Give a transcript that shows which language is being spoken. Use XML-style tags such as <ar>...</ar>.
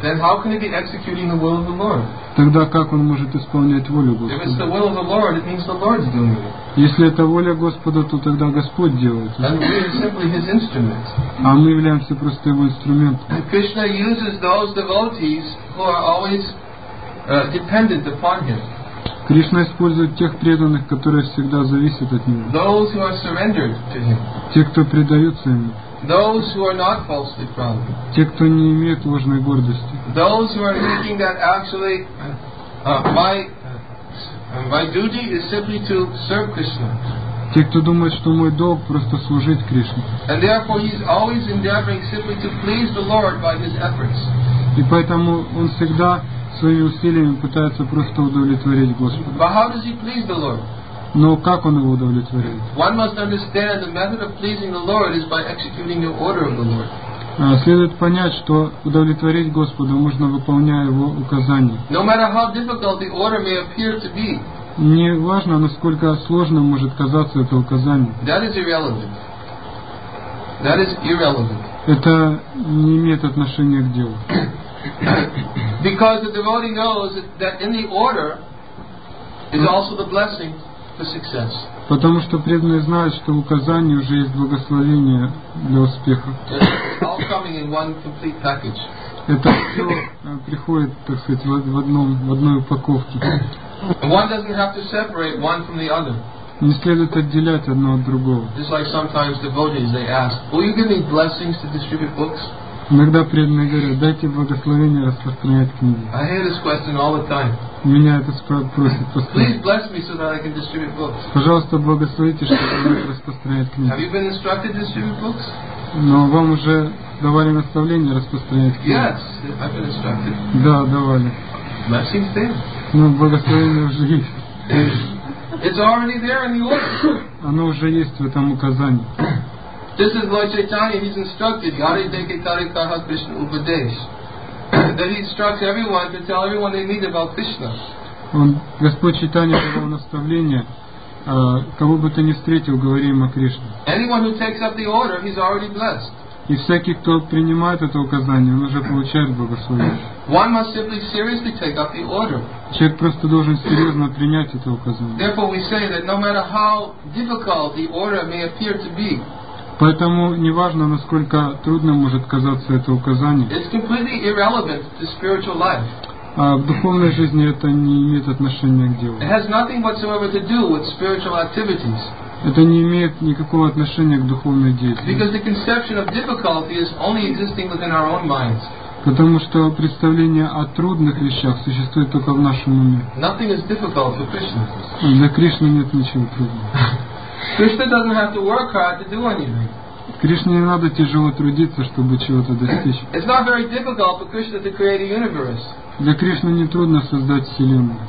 <en>Then how can he be executing the will of the Lord?</en> <ru>Тогда как он может исполнять волю Господа?</ru> <en>If it's the will of the Lord, it means the Lord's doing it.</en> <ru>Если это воля Господа, то тогда Господь делает.</ru> <en>And we are simply His instruments.</en> <ru>А мы являемся просто Его инструментом.</ru> <en>And Krishna uses those devotees who are always dependent upon Him.</en> <ru>Кришна использует тех преданных, которые всегда зависят от Него.</ru> <en>Those who are surrendered to Him.</en> <ru>Те, кто предаются Ему.</ru> <en>Those who are not falsely proud.</en> <ru>Те, кто не имеет ложной гордости.</ru> <en>Those who are thinking that actually my duty is simply to serve Krishna.</en> <ru>Те, кто думает, что мой долг просто служить Кришне.</ru> <en>And therefore he is always endeavoring simply to please the Lord by his efforts.</en> <ru>И поэтому он всегда своими усилиями пытается просто удовлетворить Господа.</ru> <en>But how does he please the Lord?</en> <ru>Но как он его удовлетворяет?</ru> <en>One must understand the method of pleasing the Lord is by executing the order of the Lord.</en> <ru>Следует понять, что удовлетворить Господа можно, выполняя его указания.</ru> <en>No matter how difficult the order may appear to be.</en> <ru>Не важно, насколько сложным может казаться это указание.</ru> <en>That is irrelevant. That is irrelevant.</en> <ru>Это не имеет отношения к делу.</ru> <en>Because the devotee knows that in the order is also the blessing.</en> <ru>Потому что преданные знают, что в указании уже есть благословение для успеха. Это все приходит, так сказать, в одной упаковке.</ru> <en>One doesn't have to separate one from the other.</en> <ru>Не следует отделять одно от другого.</ru> <en>Just like sometimes devotees, they ask, "Will you give me blessings to distribute books?"</en> <ru>Иногда преданные говорят, дайте благословение распространять книги.</ru> <en>I hear this question all the time.</en> <ru>Меня это просят постоянно.</ru> <en>Please bless me so that I can distribute books.</en> <ru>Пожалуйста, благословите, чтобы я мог распространять книги.</ru> <en>Have you been instructed to distribute books?</en> <ru>Но вам уже давали наставление распространять книги.</ru> <en>Yes, I've been instructed.</en> <ru>Да, давали.</ru> <en>Blessings there.</en> <ru>Ну, благословение уже есть.</ru> <en>It's already there in the order.</en> <ru>Оно уже есть в этом указании.</ru> <en>This is Lord Chaitanya, he's instructed,</en> <bn>Yari Deke Tari Kaha Krishna Upadesh.</bn> <en>That he instructs everyone to tell everyone they need about Krishna.</en> <ru>Господь Чайтанья дал наставление, кого бы ты ни встретил, говори им о Кришне.</ru> <en>Anyone who takes up the order, he's already blessed.</en> <ru>И всякий, кто принимает это указание, он уже получает благословение.</ru> <en>One must simply seriously take up the order.</en> <ru>Человек просто должен серьезно принять это указание.</ru> <en>Therefore we say that no matter how difficult the order may appear to be,</en> <ru>поэтому не важно, насколько трудным может казаться это указание.</ru> <en>It's completely irrelevant to spiritual life.</en> <ru>А в духовной жизни это не имеет отношения к делу.</ru> <en>It has nothing whatsoever to do with spiritual activities.</en> <ru>Это не имеет никакого отношения к духовной деятельности.</ru> <en>Because the conception of difficulty is only existing within our own minds.</en> <ru>Потому что представление о трудных вещах существует только в нашем уме.</ru> <en>Nothing is difficult for Krishna.</en> <ru>Для Кришны нет ничего трудного.</ru> <en>Krishna doesn't have to work hard to do anything.</en> <ru>Кришне не надо тяжело трудиться, чтобы чего-то достичь.</ru> <en>It's not very difficult for Krishna to create a universe.</en> <ru>Для Кришны не трудно создать вселенную.</ru>